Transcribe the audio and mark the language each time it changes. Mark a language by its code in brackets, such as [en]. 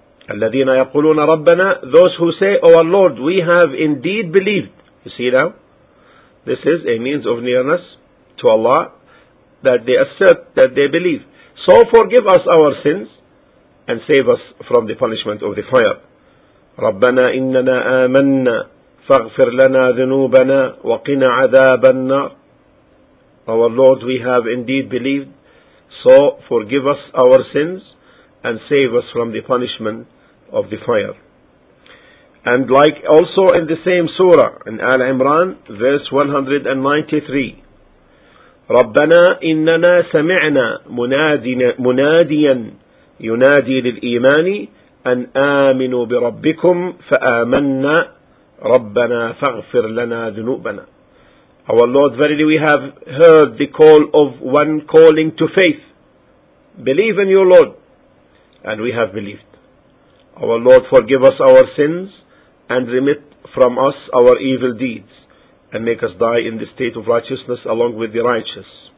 [ar] الذين يقولون ربنا, [en] those who say, our Lord, we have indeed believed. You see now, this is a means of nearness to Allah, that they assert that they believe. So forgive us our sins and save us from the punishment of the fire. [ar] ربنا إننا آمنا فاغفر لنا ذنوبنا وقنا عذاب النار. [en] Our Lord, we have indeed believed, so forgive us our sins and save us from the punishment of the fire. And like also in the same surah, in Al-Imran, verse 193, [ar] ربنا إننا سمعنا مناديا ينادي للإيمان أن آمنوا بربكم فآمنا ربنا فاغفر لنا ذنوبنا. [en] Our Lord, verily we have heard the call of one calling to faith. Believe in your Lord. And we have believed. Our Lord, forgive us our sins and remit from us our evil deeds and make us die in the state of righteousness along with the righteous.